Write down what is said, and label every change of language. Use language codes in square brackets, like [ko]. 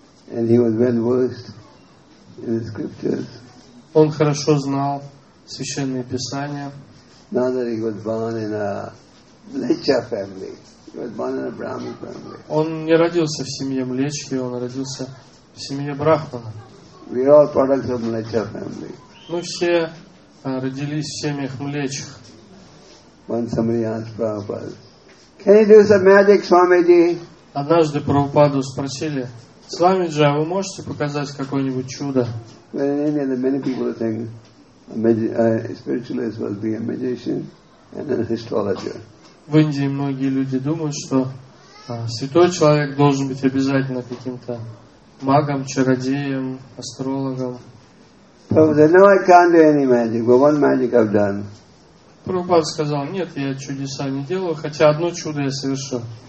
[en] And he was well versed in the scriptures. [ru] Он хорошо знал священные писания. [en] Now that he was born in a Млечья family. He was born in a Brahmi family. [ru] Он не родился в семье Млечхи, он родился в семье Брахмана. [en] We are all products of Млечья family. [ru] Мы все родились в семьях Млечх. [en] Once somebody asked Prabhupada, can you do some magic, Swamiji? [ru] Однажды Прабхупаду спросили, Свамиджи, а вы можете показать какое-нибудь чудо? [en] Well, in India, the many people think a spiritualist will be a magician and an astrologer. [ru] В Индии многие люди думают, что святой человек должен быть обязательно каким-то магом, чародеем, астрологом. Прабхупада сказал, нет, я чудеса не делаю, хотя одно чудо я совершил.